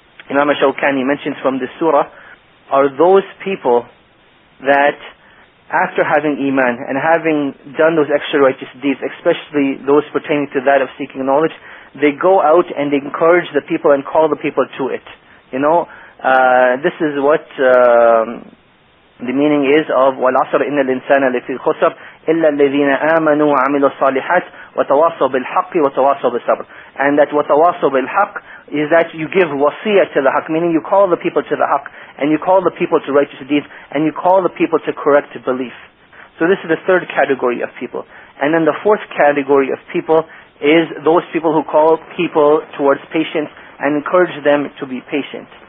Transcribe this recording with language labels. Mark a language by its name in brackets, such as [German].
[English] Imam Shawkani mentions from this surah are those people that after having iman and having done those extra righteous deeds, especially those pertaining to that of seeking knowledge, they go out and they encourage the people and call the people to it. You know, this is what the meaning is of [Arabic] وَالْعَصْرِ إِنَّ الْإِنسَانَ لَفِي الْخُسْرِ إِلَّا الَّذِينَ آمَنُوا وَعَمِلُوا الصَّالِحَاتِ وَتَوَاصَوْا بِالْحَقِّ وَتَوَاصَوْا بِالصَّبْرِ. [English] And that [Arabic] وَتَوَاصَوْا بِالْحَقِّ [English] is that you give wasiyah to the haqq, meaning you call the people to the haqq, and you call the people to righteous deeds, and you call the people to correct belief. So this is the third category of people. And then the fourth category of people is those people who call people towards patience and encourage them to be patient.